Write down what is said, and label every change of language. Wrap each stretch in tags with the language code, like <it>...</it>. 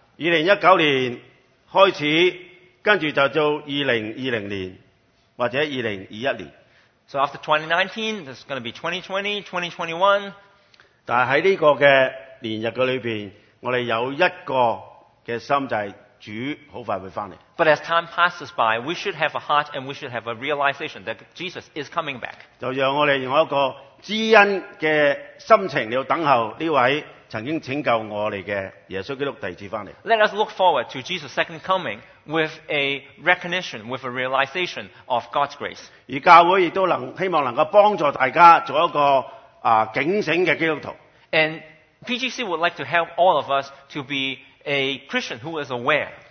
<zh>2019年開始, 接著就到2020年, 或者2021年。</zh> <en>So after 2019, this is going to be 2020, 2021.</en> <zh>但在這個年日裡面, 我們有一個的心就是主很快會回來。</zh> <en>But as time passes by, we should have a heart and we should have a realization that Jesus is coming back.</en> <zh>就讓我們用一個知恩的心情來等候這位曾經拯救我們的耶穌基督第二次回來。</zh> <en>Let us look forward to Jesus' second coming with a recognition, with a realization of God's grace.</en> <zh>而教會也希望能夠幫助大家做一個警醒的基督徒。</zh> <en>And PGC would like to help all of us to be a Christian who is aware.</en>